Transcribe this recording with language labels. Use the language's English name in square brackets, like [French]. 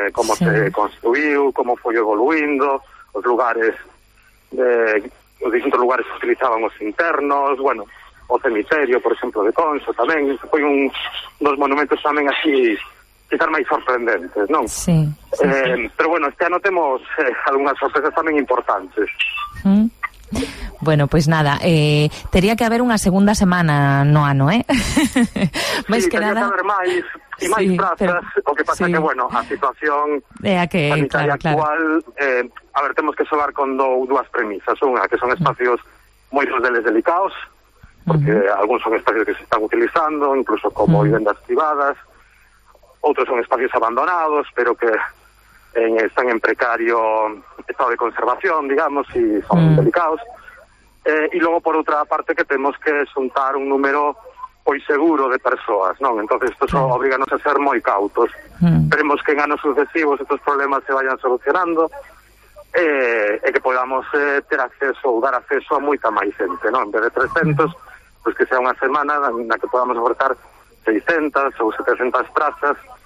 [Galician] Como se construiu, como foi evoluindo, os lugares... os distintos lugares que utilizaban os internos, bueno, o cemiterio, por exemplo, de Conso tamén, foi un dos monumentos tamén así, quizás máis sorprendentes, non? Sí, pero bueno, este ano temos algunhas sorpresas tamén importantes. Bueno, pois nada, teria que haber unha segunda semana no ano, Mais sí, que nada... que haber máis prazas, pero, o que pasa que, bueno, a situación sanitaria actual... a ver, temos que xogar con dúas premisas. Unha, que son espacios moitos deles delicados, porque algúns son espacios que se están utilizando, incluso como vivendas privadas. Outros son espacios abandonados, pero que están en precario [Spanish] estado de conservación, digamos, y son delicados. Y luego, por otra parte, que tenemos que xuntar un número hoy seguro de persoas, non? [Galician] Entonces isto só obriganos a ser moi cautos. Esperemos que en anos sucesivos [Spanish] estos problemas se vayan solucionando [Galician] e que podamos ter acceso ou dar acceso a moita máis xente, non? En vez de 300, [Spanish] pues que sea [Galician] unha semana na que podamos ofertar 600 ou 700 prazas.